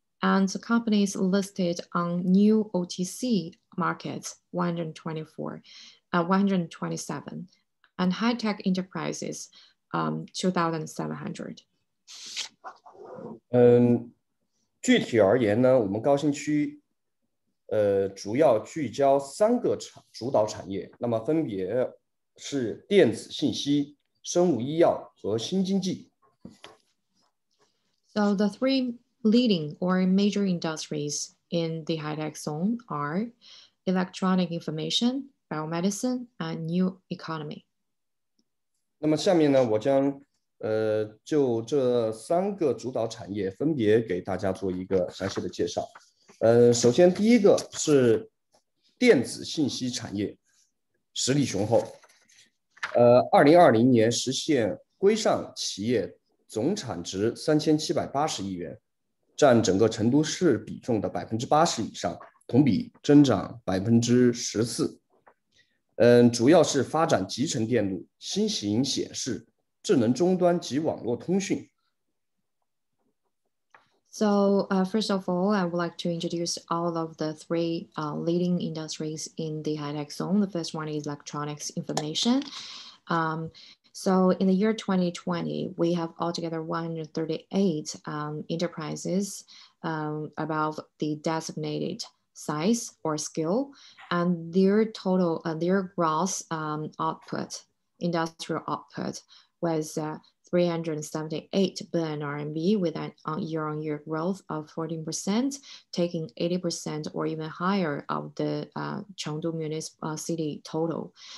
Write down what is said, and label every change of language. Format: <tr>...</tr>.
<en>And the companies listed on new OTC markets, 127, and high tech enterprises, 2,700.</en> <zh>具体而言呢，我们高新区，主要聚焦三个主导产业，那么分别是电子信息、生物医药和新经济。</zh> <en>So the three leading or major industries in the high tech zone are electronic information, biomedicine, and new economy.</en> <zh>那么下面呢，我将就这三个主导产业分别给大家做一个详细的介绍。首先第一个是电子信息产业，实力雄厚。 2020年实现规上企业总产值3780亿元。占整个成都市比重的80%以上，同比增长14%。主要是发展集成电路、新型显示、智能终端及网络通讯。</zh> <en>So, first of all, I would like to introduce all of the three leading industries in the high tech zone. The first one is electronics information. So in the year 2020, we have altogether 138 enterprises about the designated size or skill, and their total, their gross output, industrial output was 378 billion RMB with a year-on-year growth of 14%, taking 80% or even higher of the Chengdu municipal city total.</en>